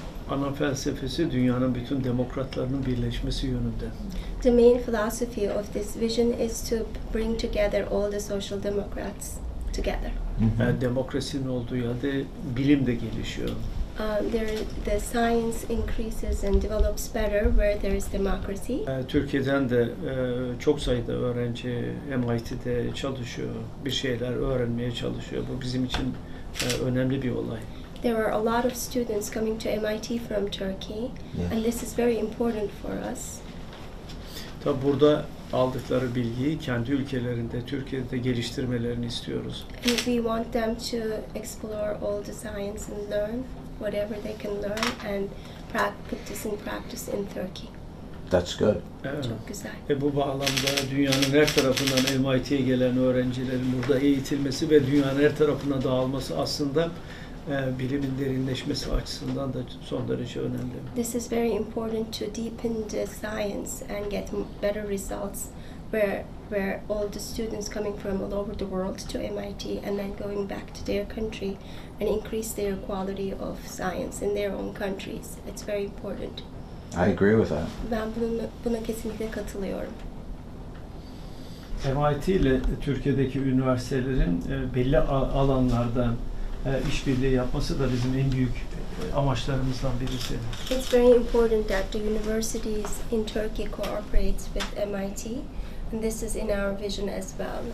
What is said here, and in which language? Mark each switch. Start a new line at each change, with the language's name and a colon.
Turkish: Ana felsefesi dünyanın bütün demokratlarının birleşmesi yönünde.
English: The main philosophy of this vision is to bring together all the social democrats together.
Turkish: Yani demokrasinin olduğu yerde bilim de gelişiyor.
English: The science increases and develops better where there is democracy.
Turkish: Türkiye'den de çok sayıda öğrenci MIT'de çalışıyor, bir şeyler öğrenmeye çalışıyor. Bu bizim için önemli bir olay.
English: There are a lot of students coming to MIT from Turkey, and this is very important for us.
Turkish: Tabi burada aldıkları bilgiyi kendi ülkelerinde, Türkiye'de geliştirmelerini istiyoruz.
English: And we want them to explore all the science and learn whatever they can learn and put this in practice in Turkey. That's good.
Turkish: Çok güzel. Bu bağlamda dünyanın her tarafından MIT'ye gelen öğrencilerin burada eğitilmesi ve dünyanın her tarafına dağılması aslında bilimin derinleşmesi açısından da son derece önemli.
English: This is very important to deepen the science and get better results where all the students coming from all over the world to MIT and then going back to their country and increase their quality of science in their own countries. It's very important. I agree with that.
Turkish: Ben buna kesinlikle katılıyorum. MIT ile Türkiye'deki üniversitelerin belli alanlarda işbirliği yapması da bizim en büyük amaçlarımızdan birisi.
English: It's very important that the universities in Turkey cooperate with MIT, and this is in our vision as well.